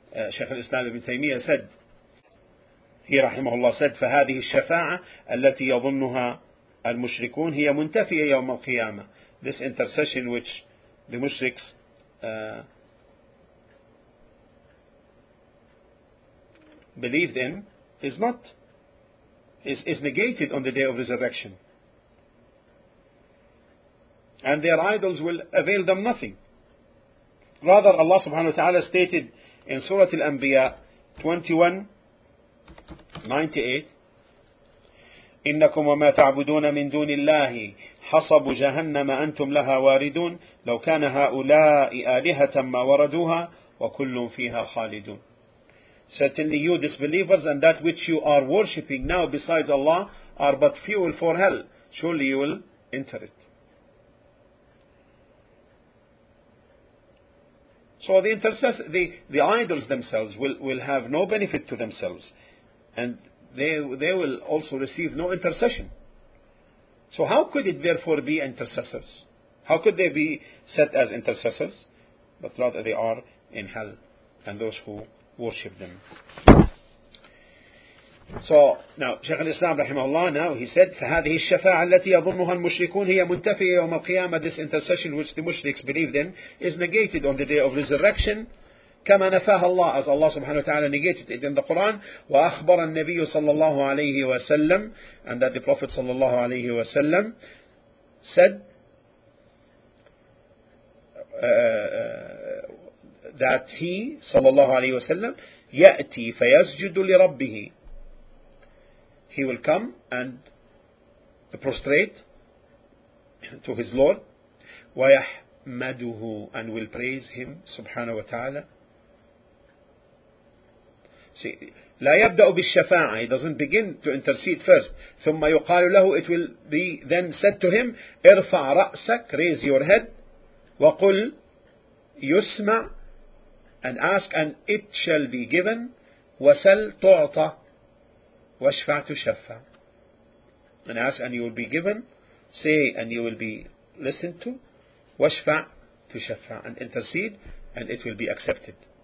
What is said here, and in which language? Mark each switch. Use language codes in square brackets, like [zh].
[en] Shaykh al-Islam ibn Taymiyyah said, he rahimahullah said, [ar] فَهَذِهِ الشَّفَاعَةَ الَّتِي يَظُنُّهَا الْمُشْرِكُونَ هِيَ مُنْتَفِيَ يَوْمَ الْقِيَامَةِ. [en] This intercession which the mushriks believed in is negated on the day of resurrection. And their idols will avail them nothing. Rather, Allah subhanahu wa ta'ala stated in Surah Al-Anbiya 21:98, [ar] إِنَّكُمْ وَمَا تَعْبُدُونَ مِنْ دُونِ اللَّهِ حَصَبُ جَهَنَّمَ أَنْتُمْ لَهَا وَارِدُونَ لَوْ كَانَ هَؤُلَاءِ آلِهَةً مَّا وَرَدُوهَا وَكُلٌّ فِيهَا خَالِدُونَ. [en] Certainly you disbelievers and that which you are worshipping now besides Allah are but fuel for hell. Surely you will enter it. So the idols themselves will have no benefit to themselves, and they will also receive no intercession. So how could it therefore be intercessors? How could they be set as intercessors? But rather they are in hell, and those who worship them. So now Shaykh al-Islam rahimahullah, now he said, [ar] فَهَذِهِ الشَّفَاعَةَ الَّتِي يَظُنُّهَا الْمُشْرِكُونَ هِيَ مُنْتَفِيَ يَوْمَ الْقِيَامَةِ. [en] This intercession which the mushriks believed in is negated on the day of resurrection. [ar] كَمَا نَفَاهَ اللَّهُ, [en] as Allah subhanahu wa ta'ala negated it in the Quran. [ar] وَأَخْبَرَ النَّبِيُّ صَلَّى اللَّهُ عَلَيْهِ وَسَلَّمْ, [en] and that the Prophet [ar] صَلَّى اللَّهُ عَلَيْهِ وَسَلَّمْ said, [en] that he, sallallahu alayhi wa sallam, [ar] يأتي فيسجد لربه. [en] He will come and prostrate to his Lord, [ar] ويحمده, [en] and will praise him, subhanahu wa ta'ala. [ar] See, لا يبدأ بالشفاعة. [en] He doesn't begin to intercede first. [ar] ثم يقال له, [en] it will be then said to him, [ar] ارفع رأسك, [en] raise your head, [ar] وقل يسمع, [en] and ask, and it shall be given, [ar] وسل تعطى, واشفع تشفع, [en] and ask, and you will be given, say, and you will be listened to, [ar] واشفع تشفع, [en] and intercede, and it will be accepted.